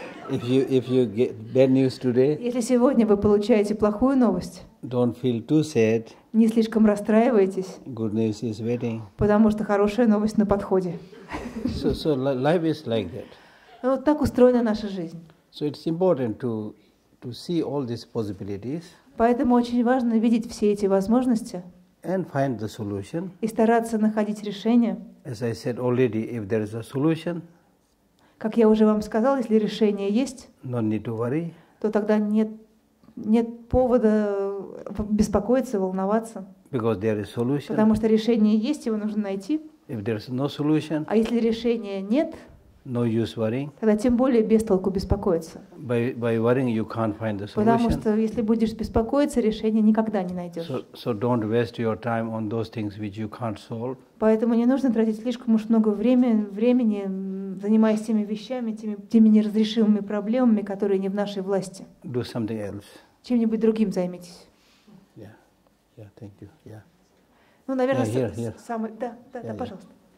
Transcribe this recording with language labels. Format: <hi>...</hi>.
<en>If you get bad news today.</en> <ru>Если сегодня вы получаете плохую новость.</ru> <en>Don't feel too sad.</en> <ru>Не слишком расстраивайтесь.</ru> <en>Good news is waiting.</en> <ru>Потому что хорошая новость на подходе.</ru> <en>So life is like that.</en> <ru>Вот так устроена наша жизнь.</ru> <en>So it's important to see all these possibilities.</en> <ru>Поэтому очень важно видеть все эти возможности</ru> <en>and find the solution.</en> <ru>И стараться находить решение.</ru> <en>As I said already, if there is a solution,</en> <ru>как я уже вам сказал, если решение есть,</ru> <en>no need to worry,</en> <ru>то тогда нет повода беспокоиться, волноваться.</ru> <en>Because there is solution.</en> <ru>Потому что решение есть, его нужно найти.</ru> <en>If there is no solution,</en> <ru>а если решения нет,</ru> <en>no use worrying.</en> <ru>Тогда тем более бестолку беспокоиться.</ru> <en>By worrying you can't find the solution.</en> <ru>Потому что если будешь беспокоиться, решение никогда не найдешь.</ru> <en>So don't waste your time on those things which you can't solve.</en> <ru>Поэтому не нужно тратить слишком уж много времени, занимаясь теми вещами, теми неразрешимыми проблемами, которые не в нашей власти.</ru> <en>Do something else.</en> <ru>Чем-нибудь другим займитесь.</ru> <en>Yeah, thank you. Yeah.</en> <ru>Ну, наверное, самый. Да, пожалуйста.</ru>